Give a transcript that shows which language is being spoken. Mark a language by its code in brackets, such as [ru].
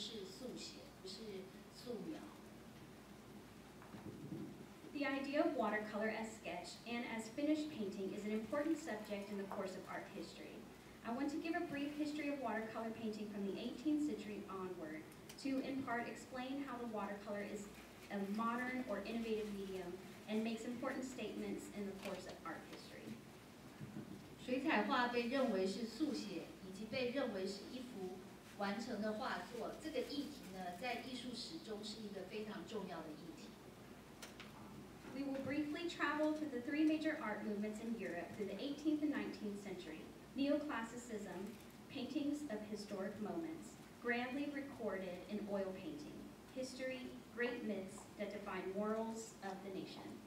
[zh] 然后所有人物呢，似乎都站在那里为这位艺术家来摆姿势，在或者是观察艺术家，或者是他们在进行中的这个活动中停止暂停。那这幅画呢，有水彩捕捉瞬间的特色，但它的整个构图显示它是一幅完成的画作，而不是速写，不是素描。 [en] The idea of watercolor as sketch and as finished painting is an important subject in the course of art history. I want to give a brief history of watercolor painting from the 18th century onward to, in part, explain how the watercolor is a modern or innovative medium and makes important statements in the course of art history. [zh] 水彩画被认为是速写，以及被认为是一幅完成的画作。这个议题呢，在艺术史中是一个非常重要的议题。 [en] We will briefly travel to the three major art movements in Europe through the 18th and 19th century. Neoclassicism, paintings of historic moments, grandly recorded in oil painting, history, great myths that define morals of the nation.